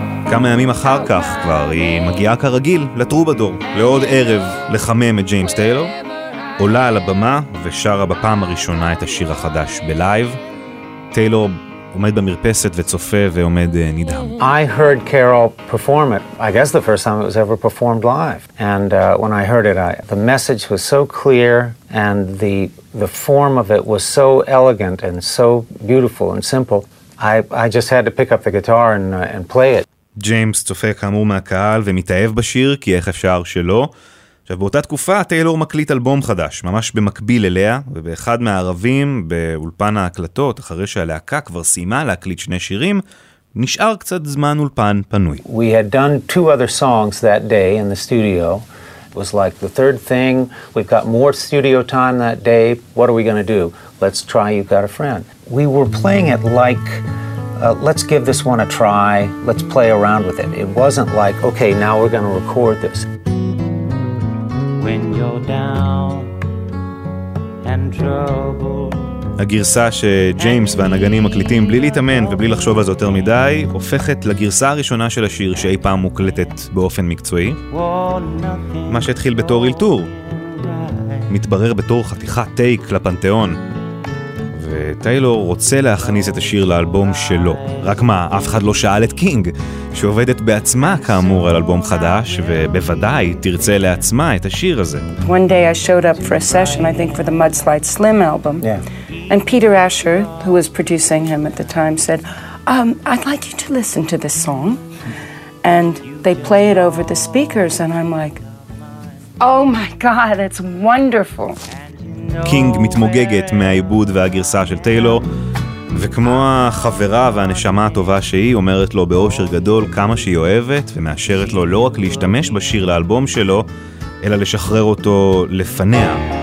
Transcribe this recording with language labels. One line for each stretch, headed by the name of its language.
Hebrew: כמה ימים אחר כך כבר היא מגיעה כרגיל לטרובדור לעוד ערב לחמם את ג'יימס טיילור, עולה על הבמה ושרה בפעם הראשונה את השיר החדש בלייב. טיילור עומד במרפסת וצופה ועומד נדהם.
English: I heard Carol perform it. I guess the first time it was ever performed live. And when I heard it, the message was so clear and the form of it was so elegant and so beautiful and simple. I just had to pick up the guitar and play it.
Hebrew: ג'יימס צופה כאמור מהקהל ומתאהב בשיר, כי איך אפשר שלא? עכשיו, באותה תקופה, טיילור מקליט אלבום חדש, ממש במקביל אליה, ובאחד מהערבים, באולפן ההקלטות, אחרי שהלהקה כבר סיימה להקליט שני שירים, נשאר קצת זמן אולפן פנוי.
English: We had done two other songs that day in the studio. It was like the third thing, we've got more studio time that day, what are we going to do? Let's try You Got a Friend. We were playing it like, let's give this one a try, let's play around with it. It wasn't like, okay, now we're going to record this. When you're down and trouble.
Hebrew: הגרסה שג'יימס והנגנים מקליטים בלי להתאמן ובלי לחשוב על זה יותר מדי, הופכת לגרסה הראשונה של השיר שאי פעם מוקלטת באופן מקצועי. מה שהתחיל בתור אלתור, מתברר בתור חתיכת טייק לפנתיאון. וטיילור רוצה להכניס את השיר לאלבום שלו. רק מה, אף אחד לא שאל את קינג, שעובדת בעצמה כאמור על אלבום חדש, ובוודאי תרצה לעצמה את השיר הזה.
English: One day I showed up for a session, I think for the Mudslide Slim album. Yeah. And Peter Asher, who was producing him at the time, said, I'd like you to listen to this song. And they play it over the speakers, and I'm like, oh my God, it's wonderful.
Hebrew: קינג מתמוגגת מהעיבוד והגרסה של טיילור, וכמו החברה והנשמה הטובה שהיא, אומרת לו באושר גדול כמה שהיא אוהבת, ומאשרת לו לא רק להשתמש בשיר לאלבום שלו, אלא לשחרר אותו לפניה.